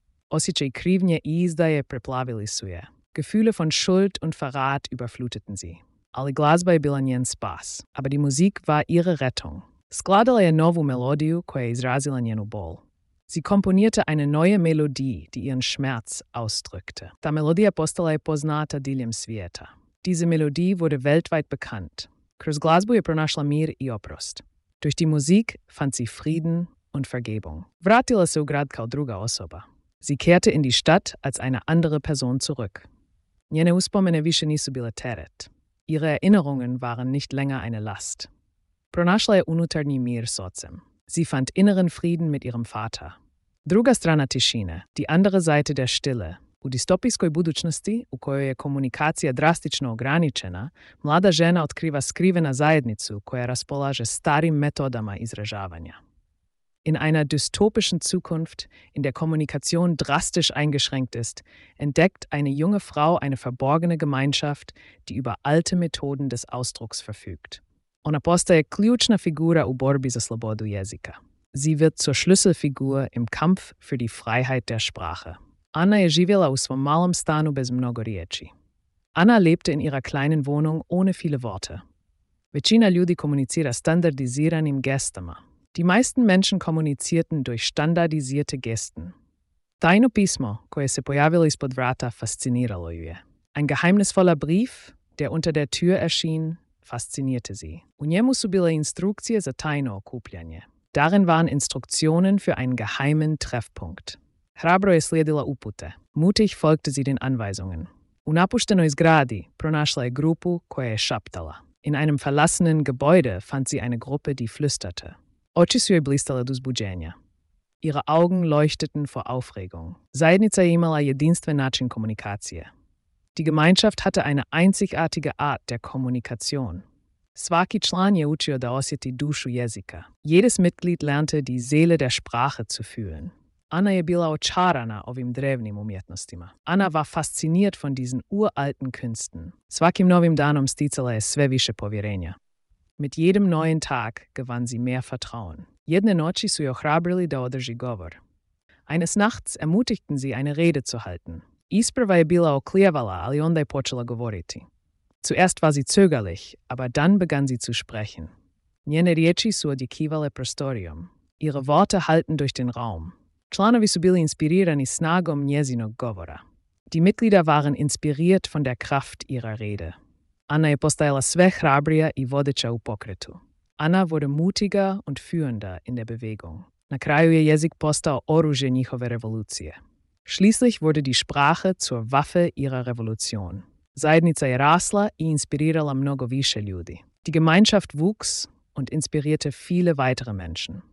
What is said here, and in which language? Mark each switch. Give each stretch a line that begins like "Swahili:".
Croatian: Osjećaj krivnje i izdaje preplavili su je.
German: Gefühle von Schuld und Verrat überfluteten sie.
Croatian: Ali glazba je bila njen spas.
German: Aber die Musik war ihre Rettung.
Croatian: Skladala je novu melodiju koja je izrazila njenu bol.
German: Sie komponierte eine neue Melodie, die ihren Schmerz ausdrückte.
Croatian: Ta melodija postala je poznata diljem svijeta.
German: Diese Melodie wurde weltweit bekannt.
Croatian: Kroz glazbu je pronašla mir i oprost.
German: Durch die Musik fand sie Frieden und Vergebung.
Croatian: Vratila se u grad kao druga osoba.
German: Sie kehrte in die Stadt als eine andere Person zurück.
Croatian: Njene uspomene više nisu bile teret.
German: Ihre Erinnerungen waren nicht länger eine Last.
Croatian: Pronašla je unutarnji mir s ocem.
German: Sie fand inneren Frieden mit ihrem Vater.
Croatian: Druga strana tišine,
German: die andere Seite der Stille.
Croatian: U distopijskoj budućnosti, u kojoj je komunikacija drastično ograničena, mlada žena otkriva skrivena zajednicu koja raspolaže starim metodama izražavanja.
German: In einer dystopischen Zukunft, in der Kommunikation drastisch eingeschränkt ist, entdeckt eine junge Frau eine verborgene Gemeinschaft, die über alte Methoden des Ausdrucks verfügt.
Croatian: Ona postaje ključna figura u borbi za slobodu jezika.
German: Sie wird zur Schlüsselfigur im Kampf für die Freiheit der Sprache.
Croatian: Anna je živjela u svom malom stanu bez mnogo riječi.
German: Anna lebte in ihrer kleinen Wohnung ohne viele Worte.
Croatian: Većina ljudi kommunizira standardiziranim gestama.
German: Die meisten Menschen kommunizierten durch standardisierte Gesten.
Croatian: Tajno pismo, koje se pojavilo ispod vrata, fasciniralo ju je.
German: Ein geheimnisvoller Brief, der unter der Tür erschien, faszinierte sie.
Croatian: U njemu su bile instrukcije za tajno okupljanje.
German: Darin waren Instruktionen für einen geheimen Treffpunkt.
Croatian: Hrabro je slijedila upute.
German: Mutig folgte sie den Anweisungen.
Croatian: U napuštenoj zgradi pronašla je grupu koja je šaptala.
German: In einem verlassenen Gebäude fand sie eine Gruppe, die flüsterte.
Croatian: Oči su joj blistale od uzbuđenja.
German: Ihre Augen leuchteten vor Aufregung.
Croatian: Zajednica je imala jedinstven način komunikacije.
German: Die Gemeinschaft hatte eine einzigartige Art der Kommunikation.
Croatian: Svaki član je učio da osjeti dušu jezika.
German: Jedes Mitglied lernte, die Seele der Sprache zu fühlen.
Croatian: Anna je bila očarana ovim drevnim umjetnostima.
German: Anna war fasziniert von diesen uralten Künsten.
Croatian: Svakim novim danom sticala je sve više povjerenja.
German: Mit jedem neuen Tag gewann sie mehr Vertrauen.
Croatian: Jedne noći su je ohrabrili da održi govor.
German: Eines Nachts ermutigten sie, eine Rede zu halten.
Croatian: Isprva je bila oklijevala, ali onda je počela govoriti.
German: Zuerst war sie zögerlich, aber dann begann sie zu sprechen.
Croatian: Njene riječi su odjekivale prostorium.
German: Ihre Worte halten durch den Raum.
Croatian: Članovi su bili inspirirani snagom njezinog govora.
German: Die Mitglieder waren inspiriert von der Kraft ihrer Rede.
Croatian: Anna je postajala sve hrabrija i vodeća u pokretu.
German: Anna wurde mutiger und führender in der Bewegung.
Croatian: Na kraju je jezik postao oružje njihove revolucije.
German: Schließlich wurde die Sprache zur Waffe ihrer Revolution.
Croatian: Zajednica je rasla i inspirirala mnogo više ljudi.
German: Die Gemeinschaft wuchs und inspirierte viele weitere Menschen.